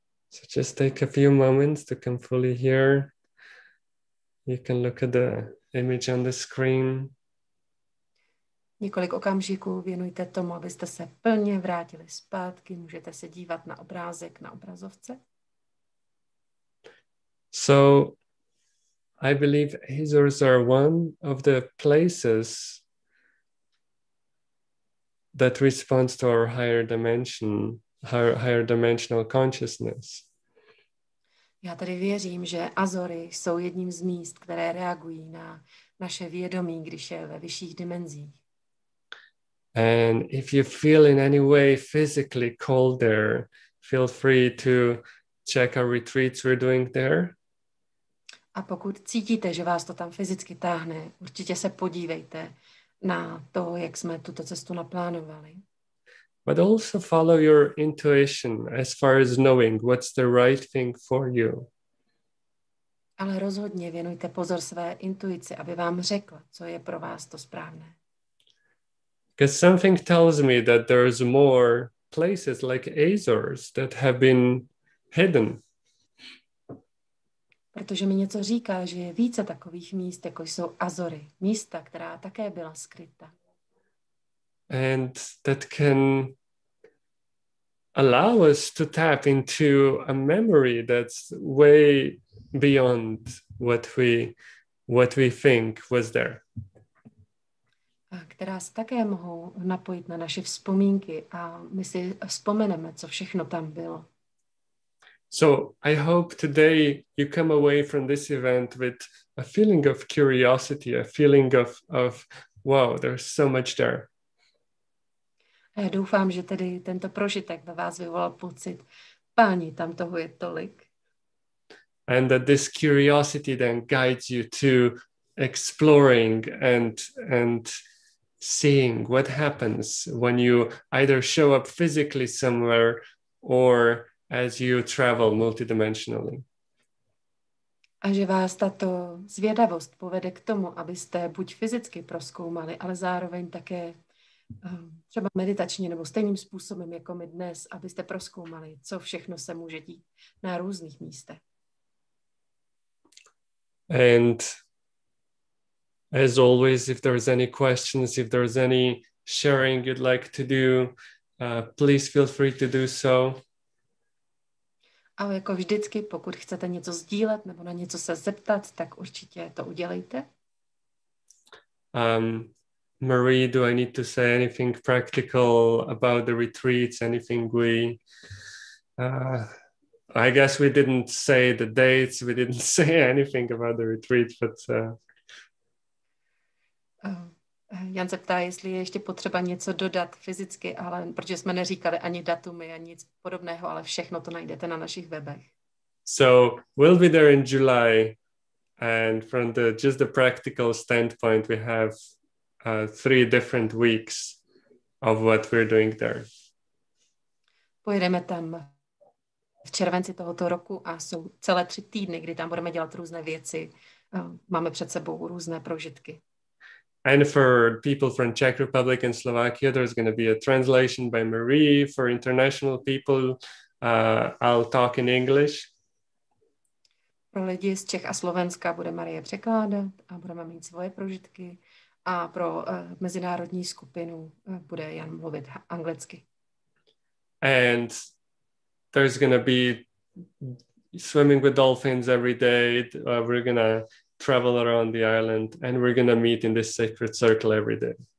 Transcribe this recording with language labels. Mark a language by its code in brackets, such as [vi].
[en] So just take a few moments to come fully here. You can look at the image on the screen. [cs] Několik okamžiků věnujte tomu, abyste se plně vrátili zpátky. Můžete se dívat na obrázek, na obrazovce. [en] So I believe Azores are one of the places that responds to our higher dimension, higher dimensional consciousness. [cs] Já tady věřím, že Azory jsou jedním z míst, které reagují na naše vědomí, když je ve vyšších dimenzích. [en] And if you feel in any way physically cold there, feel free to check our retreats we're doing there. [cs] A pokud cítíte, že vás to tam fyzicky táhne, určitě se podívejte na to, jak jsme tuto cestu naplánovali. [en] But also follow your intuition as far as knowing what's the right thing for you. [cs] Ale rozhodně věnujte pozor své intuici, aby vám řekla, co je pro vás to správné. [en] Because something tells me that there's more places like Azores that have been hidden. [cs] Protože mi něco říká, že je více takových míst, jako jsou Azory, místa, která také byla skryta. [en] And that can allow us to tap into a memory that's way beyond what we think was there. [cs] A která se také mohou napojit na naše vzpomínky a my si vzpomeneme, co všechno tam bylo. [en] So I hope today you come away from this event with a feeling of curiosity, a feeling of wow, there's so much there. [cs] A já doufám, že tedy tento prožitek ve vás vyvolal pocit, páni, tam toho je tolik. [en] And that this curiosity then guides you to exploring and seeing what happens when you either show up physically somewhere or as you travel multidimensionally. [cs] A že vás tato zvědavost povede k tomu, abyste buď fyzicky prozkoumali, ale zároveň také třeba meditačně nebo stejným způsobem, jako my dnes, abyste prozkoumali, co všechno se může dít na různých místech. [en] And as always, if there's any questions, if there's any sharing you'd like to do, please feel free to do so. [cs] A jako vždycky, pokud chcete něco sdílet nebo na něco se zeptat, tak určitě to udělejte. [en] Marie, do I need to say anything practical about the retreats, anything we... I guess we didn't say the dates, we didn't say anything about the retreats, but... [cs] Jan se ptá, jestli je ještě potřeba něco dodat fyzicky, ale protože jsme neříkali ani datumy a nic podobného, ale všechno to najdete na našich webech. [en] So we'll be there in July, and from the just the practical standpoint, we have three different weeks of what we're doing there. [cs] Pojedeme tam v červenci tohoto roku a jsou celé 3 týdny, kdy tam budeme dělat různé věci. Máme před sebou různé prožitky. [en] And for people from Czech Republic and Slovakia, there's going to be a translation by Marie. For international people, I'll talk in English. [cs] Pro lidi z Čech a Slovenska bude Marie překládat a budeme mít svoje prožitky. A pro mezinárodní skupinu bude Jan mluvit anglicky. [en] And there's going to be swimming with dolphins every day. We're going to travel around the island and we're going to meet in this sacred circle every day.